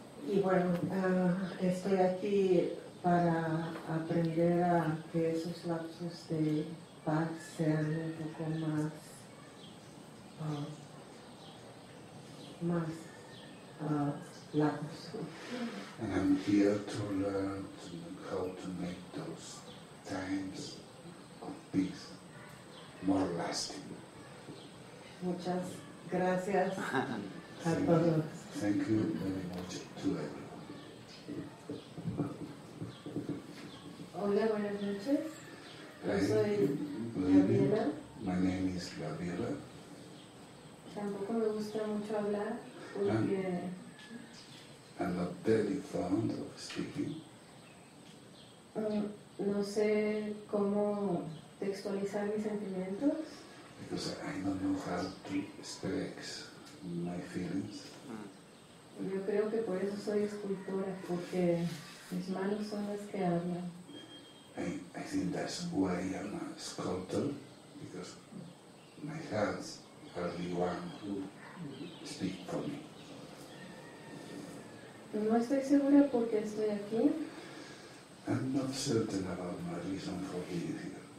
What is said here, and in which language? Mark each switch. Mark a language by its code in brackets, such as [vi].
[es] Y bueno, estoy aquí para aprender a que esos lapsos de paz sean un poco más lapsos. [en] And I'm here to learn how to make those times of peace more lasting. [es] Muchas gracias a todos. [en] Thank you very much to everyone. [es] Hola, buenas noches. Yo soy [en] Laverne. My name is Laverne. [es] Tampoco me gusta mucho hablar porque [en] I'm not very fond of speaking. [es] No sé cómo textualizar mis sentimientos. [en] Because I don't know how to express my feelings. [es] Yo creo que por eso soy escultora, porque mis manos son las que hablan. [en] I think that's why I'm a sculptor, because my hands are the one who speak for me. [es] No estoy segura por qué estoy aquí. [en] I'm not certain about my reason for being here.